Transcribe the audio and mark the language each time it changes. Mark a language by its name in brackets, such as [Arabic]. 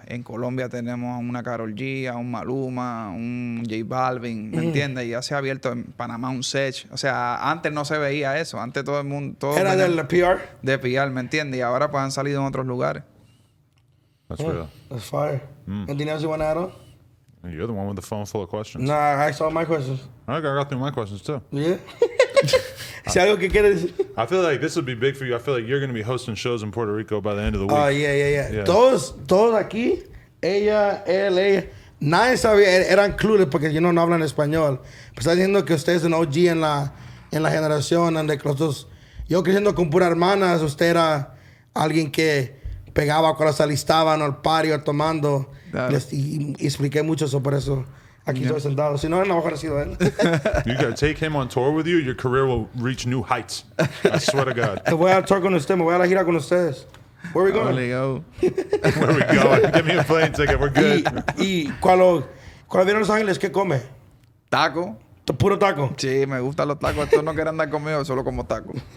[Spanish] En Colombia tenemos a una Karol G, a un Maluma, a un J Balvin, ¿me entiendes? Y ya se ha abierto en Panamá un Sech. O sea, antes no se veía eso. Antes todo el mundo... ¿Era del PR? De PR, ¿me entiendes? Y ahora pues han salido en otros lugares. [English] That's real. That's fire. Anything else you You're the one with the phone full of questions. Nah, I asked all my questions. Okay, I got through my questions too. Yeah. I feel like this would be big for you. I feel like you're going to be hosting shows in Puerto Rico by the end of the week. [Spanish] Oh, yeah. Todos aquí, ella. Nadie sabía, eran clueless porque yo no hablan español. Pero está diciendo que usted es un OG en la generación, donde los dos. Yo creciendo con pura hermanas, usted era alguien que pegaba cuando se alistaban al party o tomando. Y expliqué mucho eso, por eso aquí estoy sentado. Si no, no hubiera sido él. [English] You gotta take him on tour with you, your career will reach new heights. I swear to God. [Spanish] Te voy a tour con usted, me voy a la gira con ustedes. [English] Where are we going? Only go. Where are we going? Give me a plane ticket, we're good. [Spanish] Y cuando viene a Los Ángeles, ¿qué come? Taco. ¿Puro taco? Sí, me gustan los tacos. Estos no quieren andar conmigo, solo como taco.